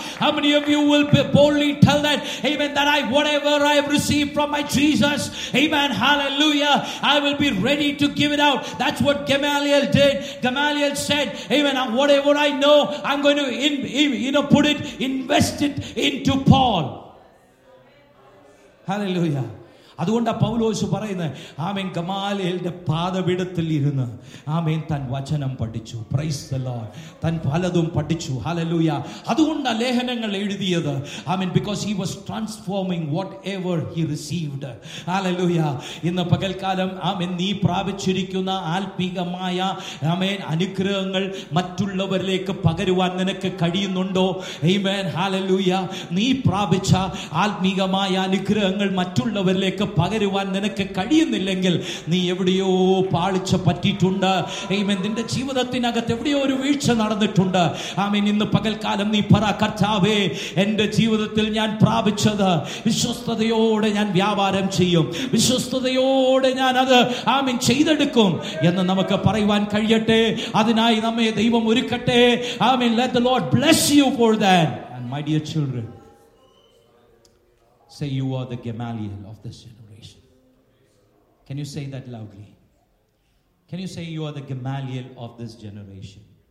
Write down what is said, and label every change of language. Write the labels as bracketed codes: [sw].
[en] How many of you will boldly tell that, amen, that I, whatever I have received from my Jesus, amen, hallelujah, I will be ready to give it out. That's what Gamaliel did. Gamaliel said, amen, whatever I know, I'm going to put it, invest it into Paul. Hallelujah. [ml] അതുകൊണ്ട് ആ പൗലോസ് പറയുന്നത് ആമേൻ ഗമാലിയേലിന്റെ പാദപീഠത്തിൽ ഇരുന്ന് ആമേൻ തൻ വചനം പഠിച്ചു. Praise the Lord. തൻ പലതും പഠിച്ചു. ഹല്ലേലൂയ. അതുകൊണ്ട് ആ ലേഖനങ്ങൾ എഴുതിയത് ആമേൻ, [en] Because he was transforming whatever he received. [ml] Hallelujah. ഇന്ന് പകൽക്കാലം ആമേൻ നീ പ്രാപിച്ചിരിക്കുന്ന ആത്മീകമായ ആമേൻ അനുഗ്രഹങ്ങൾ മറ്റുള്ളവരിലേക്ക് പകരുവാൻ നിനക്ക് കഴിയുന്നുണ്ടോ? ആമേൻ, ഹല്ലേലൂയ. നീ പ്രാപിച്ച ആത്മീകമായ അനുഗ്രഹങ്ങൾ മറ്റുള്ളവരിലേക്ക് പകരുവാൻ നിനക്ക് കഴിയുന്നില്ലെങ്കിൽ നീ എവിടെയോ പാളിച്ച പറ്റിയിട്ടുണ്ട്. ആമേൻ. നിന്റെ ജീവിതത്തിനകത്ത് എവിടെയോ ഒരു വീഴ്ച നടന്നിട്ടുണ്ട്. ആമേൻ. ഇന്ന് പകൽക്കാലം നീ പറ, കർത്താവേ, എന്റെ ജീവിതത്തിൽ ഞാൻ പ്രാപിച്ചത് വിശ്വസ്തതയോടെ ഞാൻ വ്യാപാരം ചെയ്യും, വിശ്വസ്തതയോടെ ഞാൻ അത് ആമേൻ ചെയ്തെടുക്കും എന്ന് നമുക്ക് പറയുവാൻ കഴിയട്ടെ. അതിനായി നമ്മെ ദൈവം ഒരുക്കട്ടെ. ആമേൻ. [en] Let the Lord bless you for that. And my dear children, say you are the Gamaliel of this generation. Can you say that loudly? Can you say you are the Gamaliel of this generation?